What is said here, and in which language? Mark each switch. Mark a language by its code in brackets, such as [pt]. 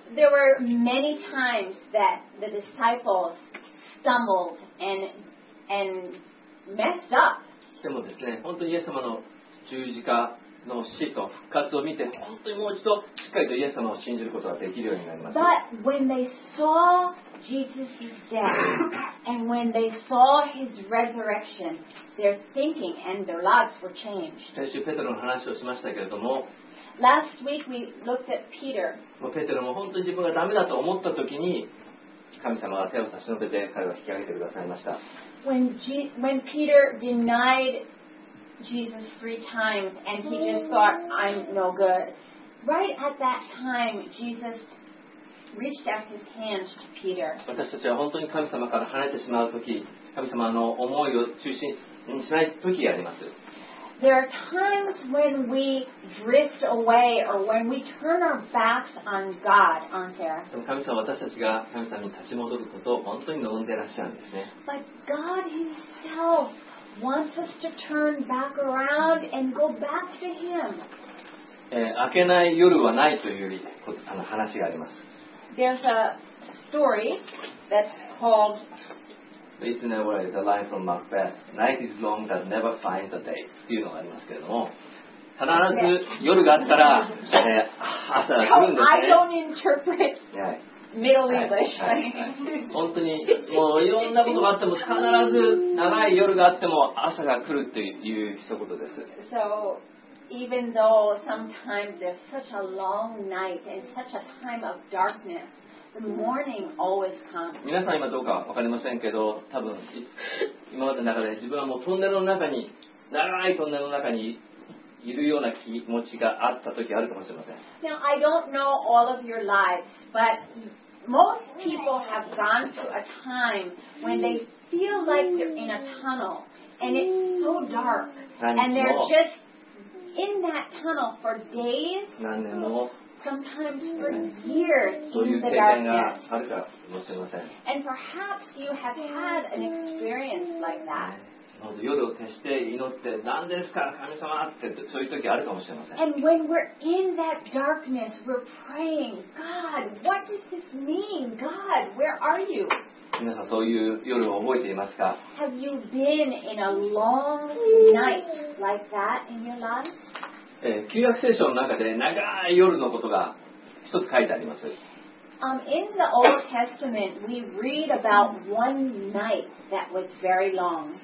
[en] There were many times that the disciples stumbled and messed up. [ja] でもですね、本当にイエス様の十字架の死と復活を見て本当にもう一度しっかりとイエス様を信じることができるようになりました。 [en] But when they saw Jesus' death and when they saw his resurrection, their thinking and their lives were changed. [ja] 先週ペテロの話をしましたけれども、 [en] Last week we looked at Peter. [ja] ペテロも本当に自分がダメだと思った時に神様が手を差し伸べて彼を引き上げてくださいました。 [en] When Peter denied Jesus three times and he just thought I'm no good. Right at that time, Jesus reached out his hand to Peter. [ja] 私たちは本当に神様から離れてしまうとき、神様の思いを中心にしないときがあります。 [en] There are times when we drift away or when we turn our backs on God, aren't there? [ja] 神様は私たちが神様に立ち戻ることを本当に望んでいらっしゃるんですね。 [en] But God himselfWants us to turn back around and go back to Him. [ja] 明けない夜はないという話があります。 [en] There's a story that's called It's never the line from Macbeth. Night is long that never finds a day. [ja] っていうのがありますけれども、必ず夜があったら朝が来るんですね。 [en] I don't interpret. Yeah. Middle English. [ja] 本当にもういろんなことがあっても必ず長い夜があっても朝が来るという一言です。 [en] So even though sometimes there's such a long night and such a time of darkness, the morning always comes. [ja] 皆さん今どうか分かりませんけど、多分今までの中で自分はもうトンネルの中に長いトンネルの中にいるような気持ちがあった時あるかもしれません。 [en] Now I don't know all of your lives, but most people have gone through a time when they feel like they're in a tunnel and it's so dark and they're just in that tunnel for days, sometimes for years in the darkness. And perhaps you have had an experience like that. [ja] 夜を徹して祈って何ですか神様ってそういう時あるかもしれません。 [en] And when we're in that darkness, we're praying, God, what does this mean? God, where are you? [ja] 皆さんそういう夜を覚えていますか？ [en] Have you been in a long night like that in your life? [ja] 旧約聖書の中で長い夜のことが一つ書いてあります。 [en] In the Old Testament, we read about one night that was very long.